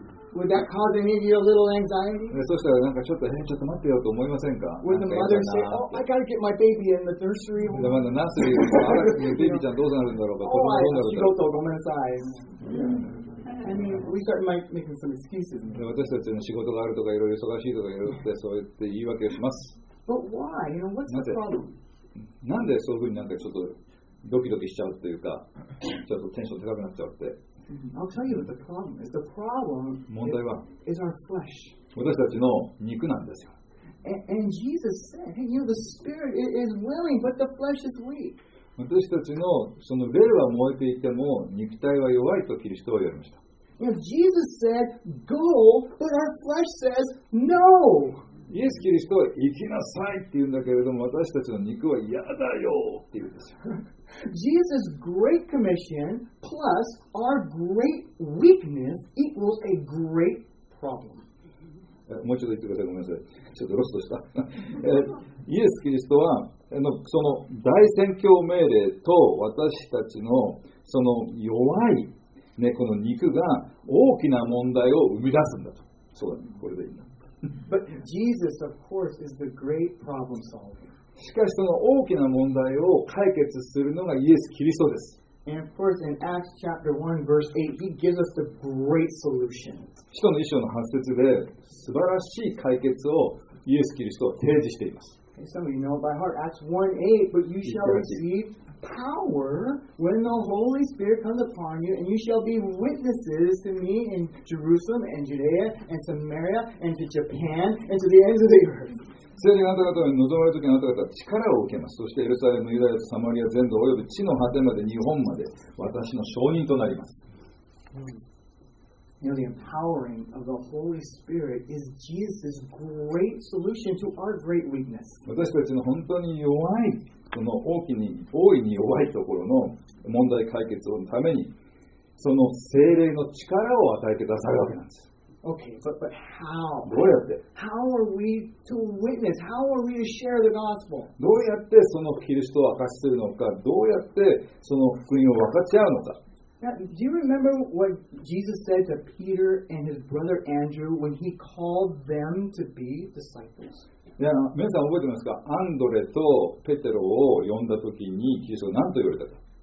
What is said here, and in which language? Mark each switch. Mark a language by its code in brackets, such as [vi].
[en] Would that cause any of you a little anxiety? [ja] そしたらなんかちょっと、ちょっと待ってよと思いませんか? [en] Would the mother say, oh, I gotta get my baby in the nursery? [ja] まだナースリー、ベビーちゃんどうなるんだろうか? [en] Oh, I have to go to [ja] ごめんなさい。 [en] I mean, we start making some excuses. [ja] 私たちの仕事があるとか、いろいろ忙しいとか、いろいろってそう言って言い訳をします。 [en] But why? You know, what's the problem? [ja] なんでそういうふうになんかちょっと、ドキドキしちゃうというか、ちょっとテンション高くなっちゃうって。 [en] I'll tell you what the problem is. The problem [ja] 問題は [en] is our flesh. [ja] 私たちの肉なんですよ。 [en] And Jesus said, hey, you know, the spirit is willing, but the flesh is weak. [ja] 私たちのその霊は燃えていても、肉体は弱いとキリストは言われました。 [en] Now, Jesus said, go, but our flesh says, no! [ja] イエス・キリストは行きなさいって言うんだけれども私たちの肉は嫌だよって言うんですよ。 [en] Jesus' great commission plus our great weakness equals a great problem. [ja] もう一度言ってください。ごめんなさい。ちょっとロストした。イエス・キリストはその大宣教命令と私たちのその弱い、ね、この肉が大きな問題を生み出すんだと。そうだね。これでいいな。 [en] But Jesus, of course, is the great problem solver. [ja] しかしその大きな問題を解決するのがイエス・キリストです。 [en] And of course, in Acts chapter 1, verse 8, he gives us the great solution. [ja] 使徒の一章の8節で素晴らしい解決をイエス・キリストは提示しています。 [en] And some of you know by heart, Acts 1:8, but you shall receive power when the Holy Spirit comes upon you, and you shall be witnesses to me in Jerusalem and Judea and Samaria and to Japan and to the ends of the earth. [ja] 聖霊があなた方に臨まれるときにあなた方は力を受けます。そしてエルサレム、ユダヤとサマリア全土および地の果てまで日本まで私の証人となります。 [en] You know, the empowering of the Holy Spirit is Jesus' great solution to our great weakness. [ja] 私たちの本当に弱い、その大いに弱いところの問題解決のために、その聖霊の力を与えてくださるわけなんです。 [en] Okay, but how? [ja] どうやって? [en] How are we to witness? How are we to share the gospel? [ja] どうやってそのキリストを明かしするのか、どうやってその福音を分かち合うのか。 [en] Now, do you remember what Jesus said to Peter and his brother Andrew when he called them to be disciples? [ja] Yeah, 皆さん覚えてますか?アンドレとペテロを呼んだ時にキリストは何と言われたか?